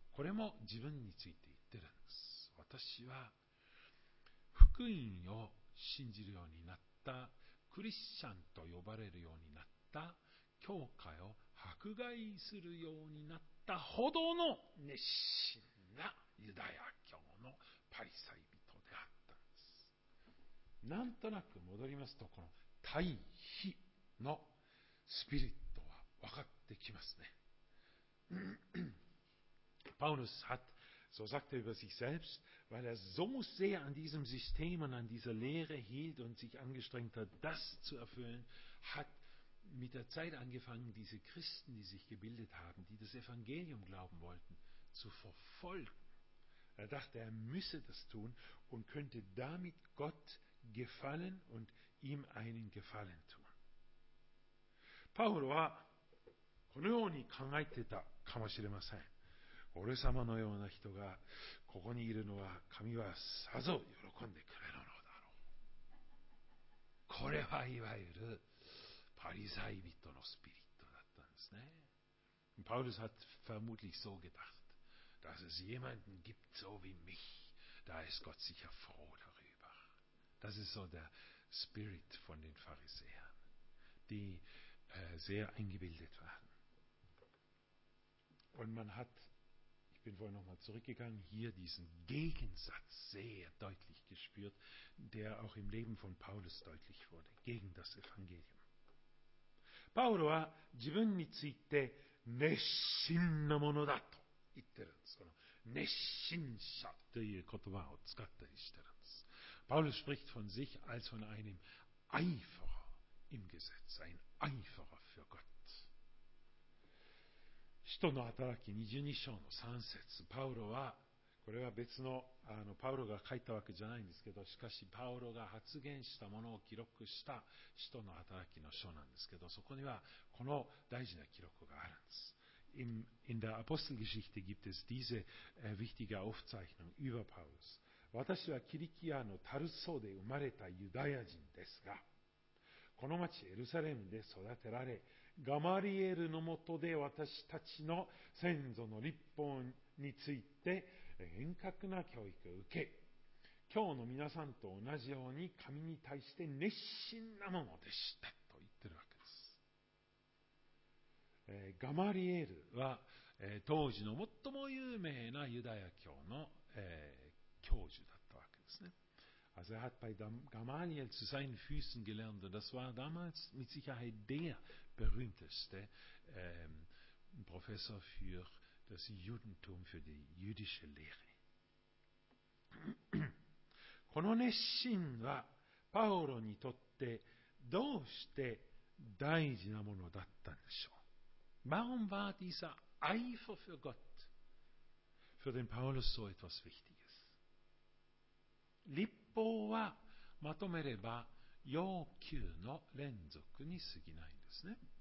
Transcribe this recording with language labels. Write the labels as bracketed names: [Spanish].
[Japanese] これも自分について言ってるんです。私は福音を信じるようになった、クリスチャンと呼ばれるようになった、教会を迫害するようになったほどの熱心なユダヤ教のパリサイ人である。なんとなく戻りますと、この対比のスピリットは分かってきますね。 [German] Paulus hat, so sagt er über sich selbst, weil er so sehr an diesem System und an dieser Lehre hielt und sich angestrengt hat, das zu erfüllen, hat mit der Zeit angefangen, diese Christen, die sich gebildet haben, die das Evangelium glauben wollten, zu verfolgen. Er dachte, er müsse das tun und könnte damit Gott gefallen und ihm einen Gefallen tun. Paulus war [Japanese] このように考えてたかもしれません。俺様のような人がここにいるのは神はさぞ喜んでくれるのだろう。これはいわゆるパリサイ人のスピリットだったんですね。 [German] Paulus hat vermutlich so gedacht, dass es jemanden gibt so wie mich, da ist Gott sicher froh darüber. Das ist so der Spirit von den Pharisäern, die sehr eingebildet waren. Und man hat, ich bin vorhin nochmal zurückgegangen, hier diesen Gegensatz sehr deutlich gespürt, der auch im Leben von Paulus deutlich wurde, gegen das Evangelium. [Japanese] Paulus は自分について熱心なものだと言ってるんです。この熱心者という言葉を使ったりしてるんです。 [German] Paulus spricht von sich als von einem Eiferer im Gesetz, ein Eiferer für Gott. [Japanese] 使徒の働き22章の3節、パウロは、これは別 の, あのパウロが書いたわけじゃないんですけど、しかしパウロが発言したものを記録した使徒の働きの書なんですけど、そこにはこの大事な記録があるんです。 [German] In der Apostelgeschichte gibt es diese wichtige Aufzeichnung über Paulus. [Japanese] 私はキリキアのタルソで生まれたユダヤ人ですが、この町エルサレムで育てられ、ガマリエルのもとで私たちの先祖の立法について厳格な教育を受け、今日の皆さんと同じように神に対して熱心なものでしたと言ってるわけです。ガマリエルは当時の最も有名なユダヤ教の教授だったわけですね。 [German] Also er hat bei Gamaliel zu seinen Füßen gelernt und das war damals mit Sicherheit der berühmteste Professor für das Judentum, für die jüdische Lehre. [Japanese] この熱心はパウロにとってどうして大事なものだったんでしょう? [German] Warum war dieser Eifer für Gott, für den Paulus so etwas Wichtiges? [Japanese] 律法はまとめれば要求の連続に過ぎないんですね。